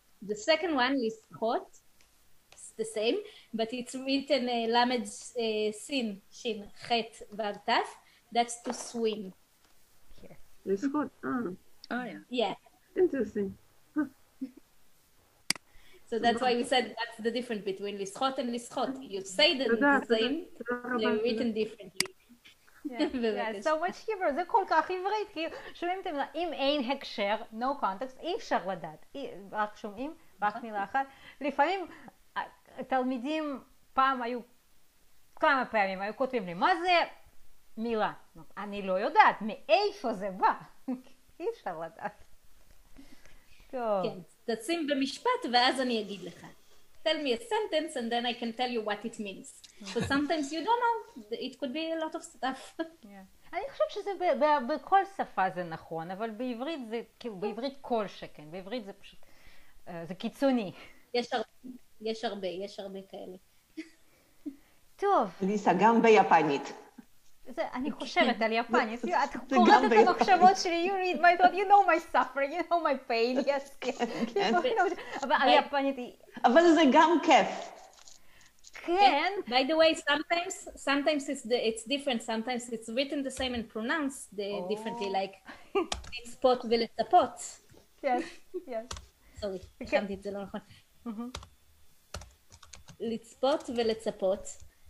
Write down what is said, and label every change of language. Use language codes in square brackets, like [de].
[en] The second one, Lischot, it's the same, but it's written Lamed Sin, Shin, Chet Vav Taf, that's to swim. Lischot. Interesting. So that's why we said that's the difference between lischot and lischot. You say them the same, they're written differently. Yeah, so much Hebrew. [he] זה כל כך עברית, כי שומעים אתם, אם אין הקשר, [en] no context, [he] אי אפשר לדעת. רק שומעים, רק מילה אחת. לפעמים תלמידים פעם היו, כמה פעמים היו כותבים לי, מה זה? מילה. אני לא יודעת מאיפה זה בא. אי אפשר לדעת. כן, תשים במשפט ואז אני אגיד לך. [en] Tell me a sentence and then I can tell you what it means. But sometimes you don't know, it could be a lot of stuff. [he] אני חושבת שזה בכל שפה זה נכון, אבל בעברית זה כאילו, בעברית כל שכן, בעברית זה פשוט, זה קיצוני. יש הרבה כאלה. טוב. אליסה, גם ביפנית. אני חושבת על יפנית, את קוראת את המחשבות שלי, [en] you read my thought, you know my suffering, you know my pain, yes, [he] אבל יפנית היא... אבל זה גם כיף. כן. [en] By the way, sometimes it's different, sometimes it's written the same and pronounced differently, like לצפות ולצפות. [he] כן, כן. סורי, חשבתי את זה לא נכון. לצפות ולצפות.